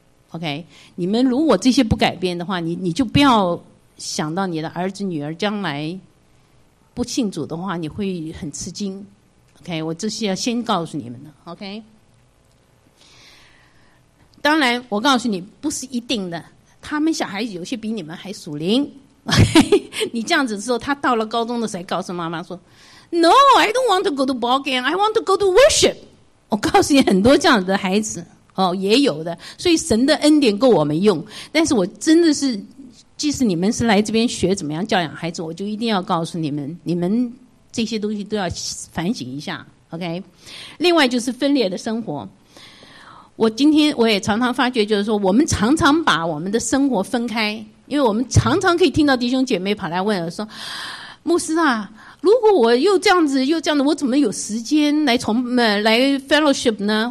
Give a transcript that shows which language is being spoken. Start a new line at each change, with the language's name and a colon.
Chinese: OK， 你们如果这些不改变的话，你就不要想到你的儿子女儿将来不信主的话你会很吃惊OK， 我这是要先告诉你们的。 OK， 当然我告诉你不是一定的，他们小孩有些比你们还属灵。 OK， 你这样子之后，他到了高中的时候，告诉妈妈说 ：
English: “No， I don't want to go to ball game. I want to go to worship。”
Chinese: 我告诉你，很多这样的孩子哦，也有的。所以神的恩典够我们用，但是我真的是，即使你们是来这边学怎么样教养孩子，我就一定要告诉你们，你们。这些东西都要反省一下 ，OK。另外就是分裂的生活，我今天我也常常发觉，就是说我们常常把我们的生活分开，因为我们常常可以听到弟兄姐妹跑来问我说：“牧师啊，如果我又这样子又这样子，我怎么有时间来 fellowship 呢？